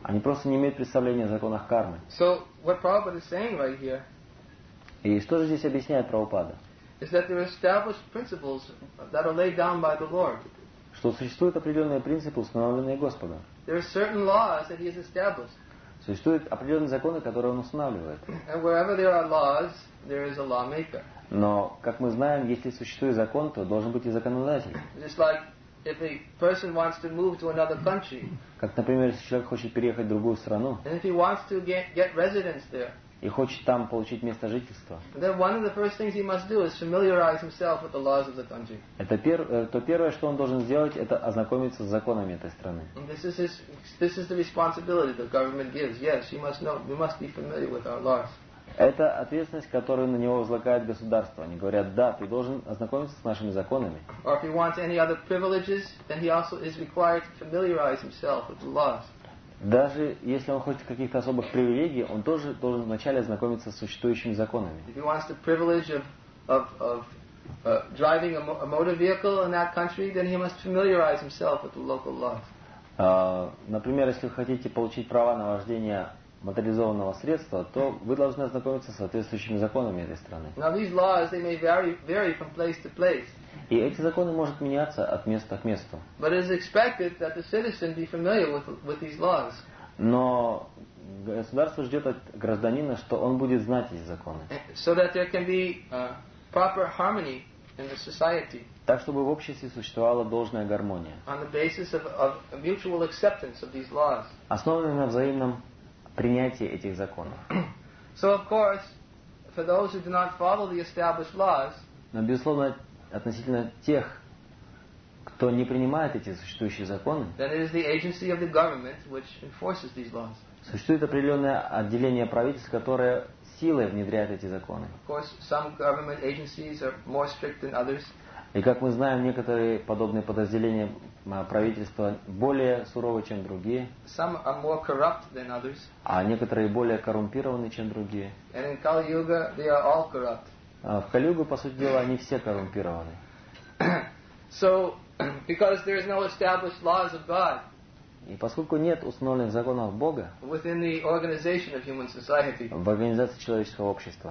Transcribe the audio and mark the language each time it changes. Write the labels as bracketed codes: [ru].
[ru] Они просто не имеют представления о законах кармы. [en] So what Prabhupada is saying right here? [ru] И что же здесь объясняет Прабхупада? [en] Is that there are established principles that are laid down by the Lord? [ru] Что существуют определенные принципы, установленные Господом. [en] There are certain laws that He has established. [ru] Существуют определенные законы, которые Он устанавливает. [en] And wherever there are laws, there is a lawmaker. [ru] Но, как мы знаем, если существует закон, то должен быть и законодатель. [en] Just like if a person wants to move to another country. [ru] Как, например, если человек хочет переехать в другую страну. [en] And if he wants to get residence there. [ru] И хочет там получить место жительства. [en] Then one of the first things he must do is familiarize himself with the laws of the country. [ru] То первое, что он должен сделать, это ознакомиться с законами этой страны. [en] And this is the responsibility the government gives. Yes, you must know, you must be familiar with our laws. [ru] Это ответственность, которую на него возлагает государство. Они говорят, да, ты должен ознакомиться с нашими законами. [en] Or if he wants any other privileges, then he also is required to familiarize himself with the laws. [ru] Даже если он хочет каких-то особых привилегий, он тоже должен вначале ознакомиться с существующими законами. [en] If he wants the privilege of driving a motor vehicle in that country, then he must familiarize himself with the local laws. [ru] Например, если вы хотите получить права на вождение моторизованного средства, то вы должны ознакомиться с соответствующими законами этой страны. [en] Now these laws, they may vary from place to place. [ru] И эти законы могут меняться от места к месту. [en] But it is expected that the citizen be familiar with these laws. [ru] Но государство ждет от гражданина, что он будет знать эти законы. [en] So that there can be proper harmony in the society. [ru] Так, чтобы в обществе существовала должная гармония. [en] On the basis of mutual acceptance of these laws. [ru] Основанная на взаимном принятии этих законов. [en] So of course, for those who do not follow the established laws. [ru] Но безусловно относительно тех, кто не принимает эти существующие законы, существует определенное отделение правительств, которое силой внедряет эти законы. [en] Of course, some government agencies are more strict than others. [ru] И как мы знаем, некоторые подобные подразделения правительства более суровы, чем другие. [en] Some are more corrupt than others. [ru] А некоторые более коррумпированы, чем другие. [en] And in Kali-Yuga, they are all corrupt. [ru] В Кали-Югу, по сути дела, они все коррумпированы. [en] So, because there is no established laws of God. [ru] И поскольку нет установленных законов Бога. [en] Within the organization of human society. [ru] В организации человеческого общества.